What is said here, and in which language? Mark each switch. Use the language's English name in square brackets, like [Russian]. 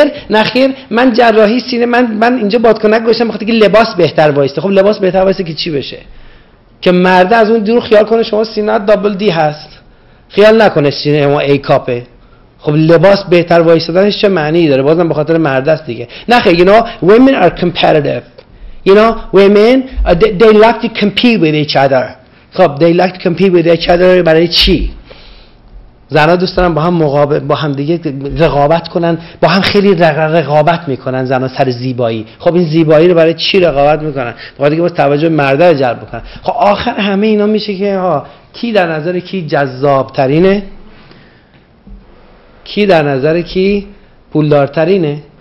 [Persian] نخیر من جراحی سینه من اینجا بادکنک گوشتم بخاطر که لباس بهتر بایسته. خب لباس بهتر بایسته که چی بشه؟ که مرده از اون دور خیال کنه شما سینه دابل دی هست، خیال نکنه سینه ما ای کاپه. خب لباس بهتر وایستادنش چه معنی داره؟ بازم بخاطر مرده است دیگه. نخیر، [English] you know women are competitive. You know women they like to compete with each other. [Persian] خب [English] they like to compete with each other [Persian] برای چی؟ زنها دوست دارن با هم مقابل با هم دیگه رقابت کنن، با هم خیلی رقابت میکنن زنها سر زیبایی. خب این زیبایی رو برای چی رقابت میکنن؟ بخاطر اینکه باز توجه مرده رو جلب کنن. خب آخر همه اینا میشه که ها کی در نظر کی جذاب ترینه، کی در نظر کی پولدارترینه.